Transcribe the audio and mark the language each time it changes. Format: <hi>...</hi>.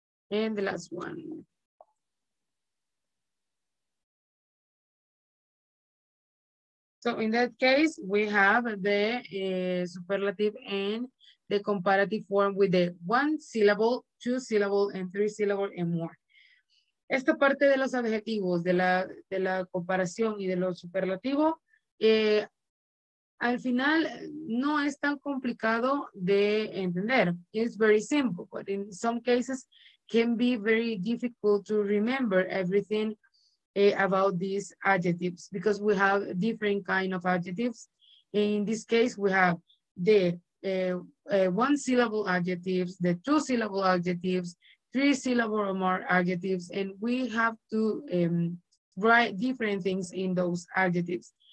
<en>And the last one. So in that case, we have the superlative and the comparative form with the one syllable, two syllable, and three syllable and more.</en> <es>Esta parte de los adjetivos, de la comparación y de lo superlativo, al final no es tan complicado de entender.</es> <en>It's very simple, but in some cases can be very difficult to remember everything about these adjectives, because we have different kind of adjectives. In this case, we have the one syllable adjectives, the two syllable adjectives, three syllable or more adjectives, and we have to write different things in those adjectives.</en>